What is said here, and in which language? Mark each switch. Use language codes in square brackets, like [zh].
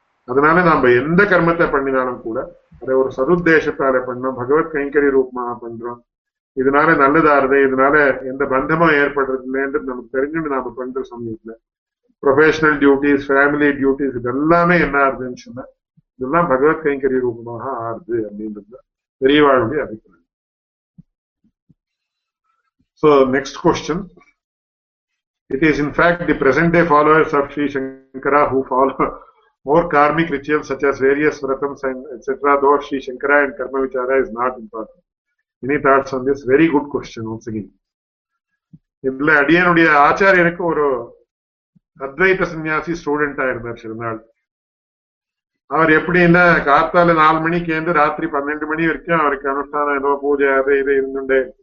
[ta] அதனால நாம எந்த கர்மத்தை பண்ணினாலும் கூட அதை ஒரு சதுத்தேசத்தாலே பண்ணோம், பகவத் கைங்கரிய ரூபமாக பண்றோம், இதனால நல்லதாருது, இதனால எந்த பந்தமும் ஏற்படுறது இல்லைன்றது நமக்கு தெரிஞ்சுட்டு நாம பண்ற சமயத்துல [en] professional duties family duties [ta] இதெல்லாமே என்ன ஆறுதுன்னு சொன்னா, இதெல்லாம் பகவத் கைங்கரிய ரூபமாக ஆறுது அப்படின்றது பெரியவாளுடைய அபிப்பிராயம். [en] So next question, it is in fact the present day followers of Sri Shankara who follow more karmic rituals such as various vratams and etc. though Sri Shankara and karma vichara is not important. Any thoughts on this? Very good question once again. [ta] இதுல அடியனுடைய ஆச்சாரியருக்கு ஒரு அத்வைத சன்னியாசி student ஆயிருந்தார் சிறுநாள். அவர் எப்படின்னா காத்தால 4 மணிக்கு இருந்து ராத்திரி 12 மணி வரைக்கும் அவருக்கு அனுஷ்டானம் ஏதோ பூஜை அதை இதை இருந்துட்டே.